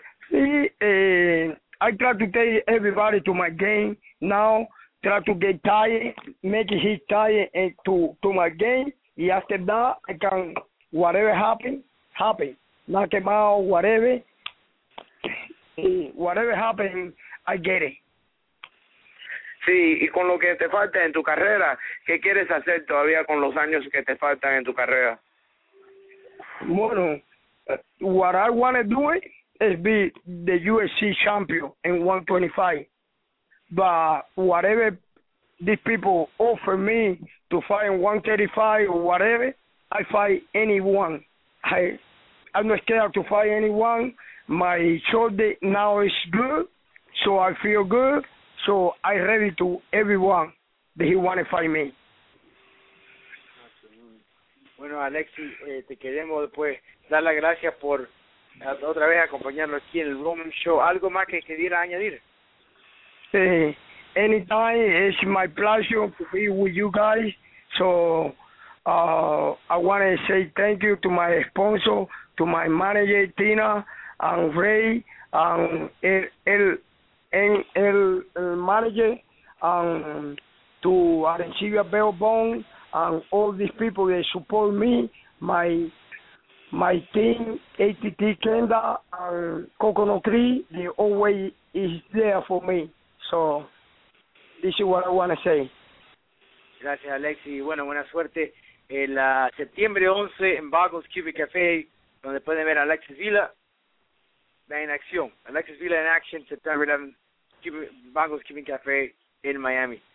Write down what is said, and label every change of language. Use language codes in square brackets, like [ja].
[en] See, I try to take everybody to my game now, try to get tired, make his tired to my game, and after that, I can, whatever happen, knock him out, whatever, whatever happen, I get it. [es] Sí, y con lo que te falta en tu carrera, ¿qué quieres hacer todavía con los años que te faltan en tu carrera? [en] Bueno, what I want to do it, is be the UFC champion in 125. But whatever these people offer me to fight in 135 or whatever, I fight anyone. I'm not scared to fight anyone. My shoulder now is good, so I feel good. So I'm ready to everyone that he want to fight me. [es] Bueno, Alexi, te queremos después dar las gracias por otra vez acompañarlo aquí en el Roman Show. ¿Algo más que quisiera añadir? [en] Anytime, it's my pleasure to be with you guys. So I want to say thank you to my sponsor, to my manager Tina and Ray and el manager and to Arencibia Bellbone and all these people that support me, my my team, ATT Kendall, and Coconut Creek, they always is there for me. So this is what I want to say. [es] Gracias, Alexi. Bueno, buena suerte. El septiembre 11 en Bagos Cuban Cafe, donde pueden ver a Alexis Villa en acción. Alexis Villa en acción, septiembre 11, Bagos Cuban Cafe en Miami.